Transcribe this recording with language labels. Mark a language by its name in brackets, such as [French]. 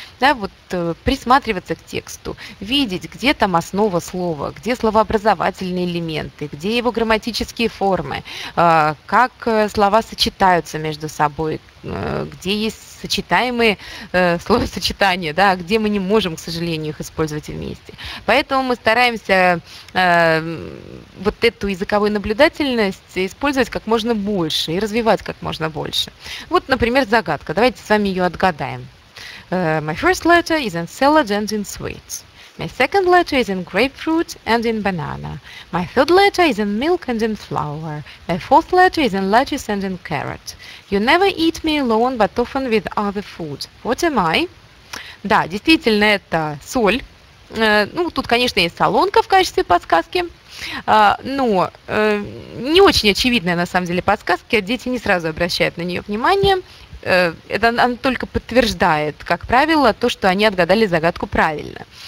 [Russian] Да, вот, присматриваться к тексту, видеть, где там основа слова, где словообразовательные элементы, где его грамматические формы, как слова сочетаются между собой, где есть сочетаемые словосочетания, да, где мы не можем, к сожалению, их использовать вместе. Поэтому мы стараемся вот эту языковую наблюдательность использовать как можно больше и развивать как можно больше. Вот, например, загадка. Давайте с вами ее отгадаем. [English] My first letter is in salad and in sweets. My second letter is in grapefruit and in banana. My third letter is in milk and in flour. My fourth letter is in lettuce and in carrot. You never eat me alone, but often with other food. What am I? [Russian] Да, действительно, это соль. Ну, тут, конечно, есть солонка в качестве подсказки, но не очень очевидная, на самом деле, подсказка, дети не сразу обращают на нее внимание. Это она только подтверждает, как правило, то, что они отгадали загадку правильно.